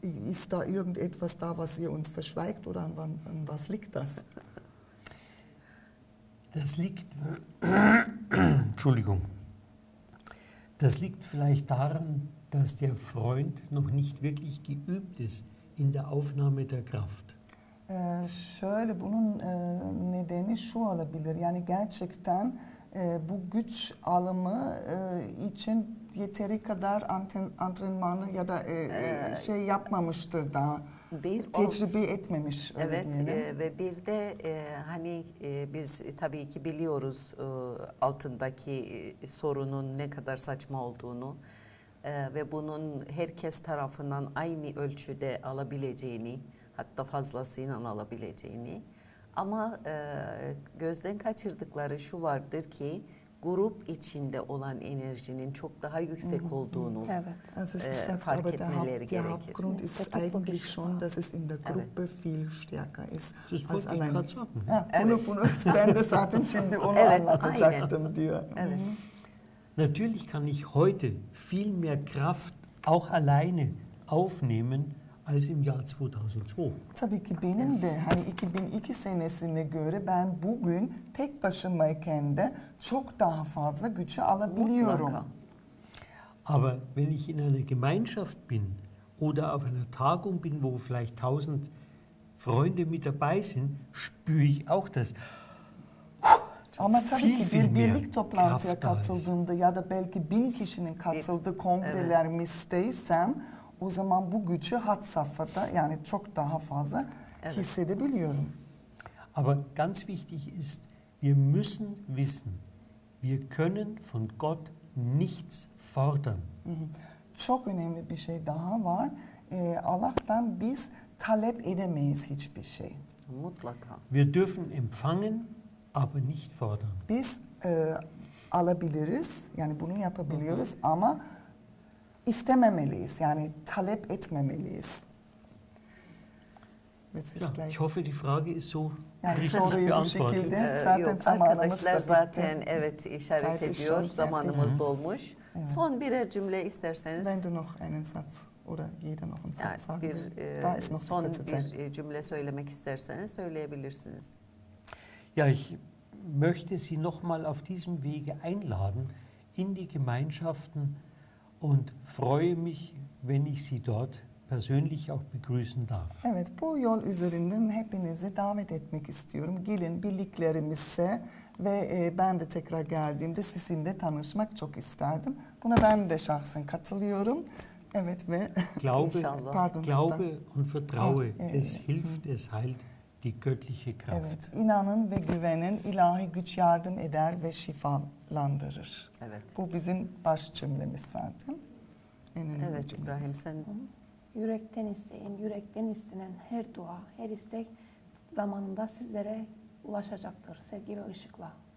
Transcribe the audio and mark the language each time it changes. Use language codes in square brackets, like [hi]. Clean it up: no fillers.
[de] Ist da irgendetwas da, was ihr uns verschweigt oder an was liegt das? Das liegt, Entschuldigung, das liegt vielleicht daran, dass der Freund noch nicht wirklich geübt ist in der Aufnahme der Kraft. [tr] Şöyle, bunun nedeni şu olabilir. Yani gerçekten bu güç alımı için yeteri kadar antrenmanı ya da şey yapmamıştır daha. Bir tecrübe etmemiş. Evet ve bir de hani biz tabii ki biliyoruz altındaki sorunun ne kadar saçma olduğunu ve bunun herkes tarafından aynı ölçüde alabileceğini hatta fazlasıyla alabileceğini ama gözden kaçırdıkları şu vardır ki grup içinde olan enerjinin çok daha yüksek olduğunu fark etmeleri gerekir. [de] Der Hauptgrund ist eigentlich schon, dass es in der Gruppe viel stärker ist als allein. [tr] Bunu ben de zaten şimdi onu anlatacaktım diyor. [de] Natürlich kann ich heute viel mehr Kraft auch alleine aufnehmen als im Jahr 2002. [tr] Tabii ki benim de hani 2002 senesine göre ben bugün tek başımayken de çok daha fazla gücü alabiliyorum. [de] Aber wenn ich in einer Gemeinschaft bin oder auf einer Tagung bin, wo vielleicht 1000 Freunde mit dabei sind, spüre ich auch das. [tr] Ama tabii ki bir birlik toplantıya katıldığımda ya da belki 1000 kişinin katıldığı kongrelerimizdeysem o zaman bu gücü hat safhada yani çok daha fazla hissedebiliyorum. [de] Aber ganz wichtig ist, wir müssen wissen, wir können von Gott nichts fordern. [tr] Çok önemli bir şey daha var. Allah'tan biz talep edemeyiz hiçbir şey. Mutlaka. [de] Wir dürfen empfangen, aber nicht fordern. [tr] Biz alabiliriz, yani bunu yapabiliyoruz ama istememeliyiz, yani talep etmemeliyiz. [de] Ja, ich hoffe, die Frage ist so [tr] yani [de] richtig beantwortet. [tr] Zaten yok, arkadaşlar zaten evet işaret Zeit ediyor. Zamanımız yani. Dolmuş. Evet. Son birer cümle isterseniz. [de] Wenn du noch einen Satz oder jeder noch einen Satz sagen [tr] bir, [de] da ist noch [tr] son bir cümle söylemek isterseniz söyleyebilirsiniz. [de] Ja, ich möchte Sie noch mal auf diesem Wege einladen in die Gemeinschaften und freue mich, wenn ich Sie dort persönlich auch begrüßen darf. [tr] Evet, bu yol üzerinden hepinizi davet etmek istiyorum. Gelin birliklerimize ve ben de tekrar geldiğimde sizinle tanışmak çok isterdim. Buna ben de şahsen katılıyorum. Evet ve [de] glaube, inşallah. Pardon, glaube und vertraue. Es hilft, es heilt die göttliche Kraft. [tr] Evet, inanın ve güvenin, ilahi güç yardım eder ve şifalandırır. Evet. Bu bizim baş cümlemiz zaten. En önemli evet cümlemiz. İbrahim sen... Yürekten isteyin, yürekten istenen her dua, her istek zamanında sizlere ulaşacaktır sevgi ve ışıkla.